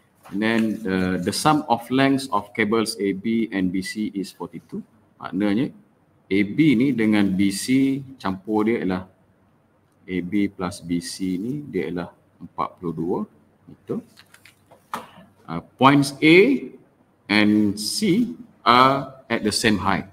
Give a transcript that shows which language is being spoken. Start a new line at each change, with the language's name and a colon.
English: And then the sum of lengths of cables AB and BC is 42.
Malay: Maknanya AB ni dengan BC campur dia ialah AB plus BC ni dia ialah 42 meter.
English: Points A and C are at the same height.